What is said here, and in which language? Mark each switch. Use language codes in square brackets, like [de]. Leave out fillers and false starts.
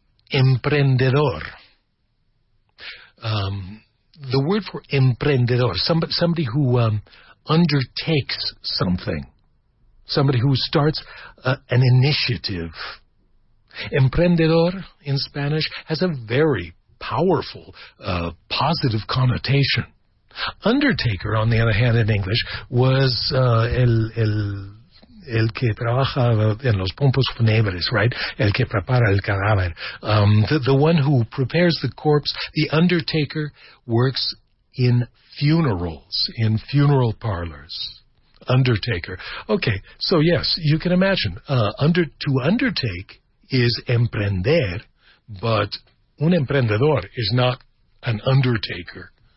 [en] emprendedor, somebody who undertakes something, somebody who starts an initiative, emprendedor in Spanish has a very powerful, positive connotation. Undertaker, on the other hand, in English, was el [es] el que trabaja en los pompos funebres, right? El que prepara el cadáver. [en] The one who prepares the corpse, the undertaker, works in funerals, in funeral parlors. Undertaker. Okay, so yes, you can imagine. To undertake is emprender, but un emprendedor is not an undertaker.